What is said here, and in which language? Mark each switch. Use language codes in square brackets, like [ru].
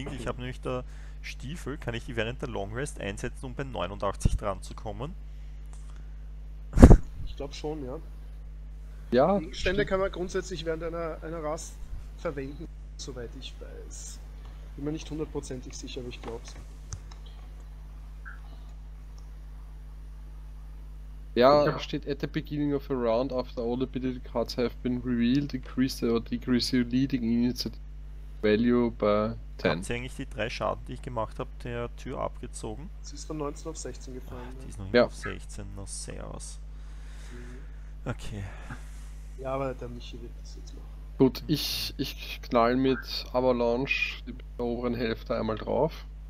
[de] Ich habe nämlich, da Stiefel, kann ich die während der Longrest einsetzen, um bei 89 dran zu kommen? Ich glaube schon, ja. Ja. Gegenstände kann man grundsätzlich während einer Rast verwenden, soweit ich weiß. Bin mir nicht hundertprozentig sicher, aber ich glaube es. Ja, steht [en] at the beginning of a round after all ability cards have been revealed, increase or decrease your leading initiative value by 10. [de] Haben Sie eigentlich die 3 Schaden, die ich gemacht habe, der Tür abgezogen? Sie ist von 19 auf 16 gefallen. Ach, die ist noch auf 16, noch sehr aus. Okay. Ja, aber der Michi wird das jetzt machen. Gut, ich knall mit Avalanche die oberen Hälfte einmal drauf.